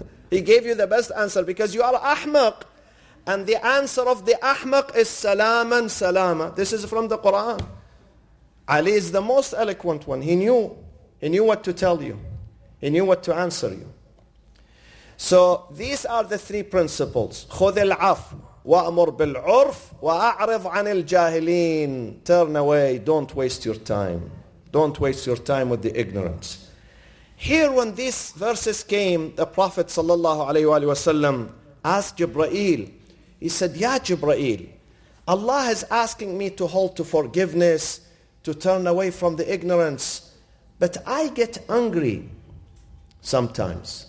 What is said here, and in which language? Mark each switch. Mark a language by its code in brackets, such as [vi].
[en] He gave you the best answer because you are ahmaq. And the answer of the ahmaq is salaman salama. This is from the Quran. Ali is the most eloquent one. He knew what to tell you. He knew what to answer you. So these are the three principles. [ar] خذ العف وأمر بالعرف وأعرض عن الجاهلين. [en] Turn away. Don't waste your time. Don't waste your time with the ignorance. Here when these verses came, the Prophet sallallahu alayhi wa sallam asked Jibreel, he said, Ya Jibreel, Allah is asking me to hold to forgiveness, to turn away from the ignorance, but I get angry sometimes.